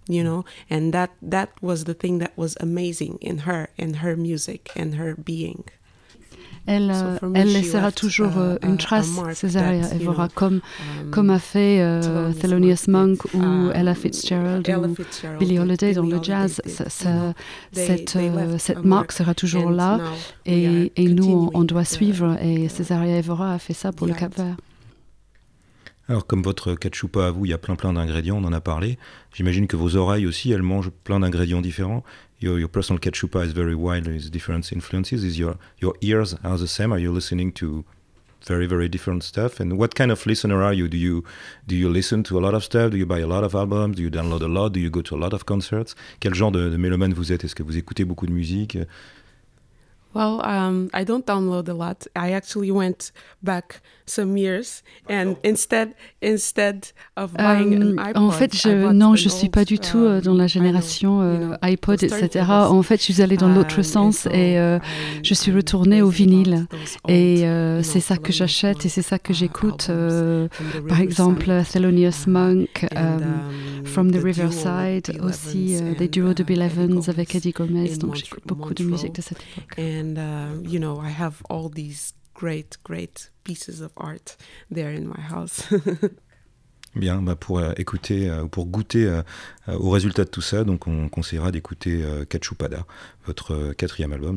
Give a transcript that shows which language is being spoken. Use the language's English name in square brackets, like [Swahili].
[English] You know, and that was the thing that was amazing in her, and her music, and her being. [French] Elle laissera toujours une trace, Cesária Évora, comme a fait Thelonious Monk ou Ella Fitzgerald ou Billie Holiday dans le jazz. Cette marque sera toujours là, et nous on doit suivre. Et Cesária Évora a fait ça pour le Cap Vert. Alors, comme votre cachupa à vous, il y a plein d'ingrédients, on en a parlé. J'imagine que vos oreilles aussi, elles mangent plein d'ingrédients différents. [English] Your personal cachupa is very wide, it's different influences. Is your ears are the same? Are you listening to very, very different stuff? And what kind of listener are you? Do you listen to a lot of stuff? Do you buy a lot of albums? Do you download a lot? Do you go to a lot of concerts? [French] Quel genre de mélomane vous êtes? Est-ce que vous écoutez beaucoup de musique? [English] Well, I don't download a lot. I actually went back some years, and instead of buying an iPod, [French] en fait, je suis pas du tout dans la génération iPod, etc. En fait, je suis allée dans l'autre sens et je suis retournée au vinyle. Et c'est ça que j'achète et c'est ça que j'écoute. Par exemple, Thelonious Monk, From the Riverside, aussi des duos de Bill Evans avec Eddie Gomez. Donc, j'écoute beaucoup de musique de cette époque. [English] And you know, I have all these great, great pieces of art there in my house. [French] Bien, pour écouter ou pour goûter au résultat de tout ça, donc on conseillera d'écouter Cachupada, votre quatrième album.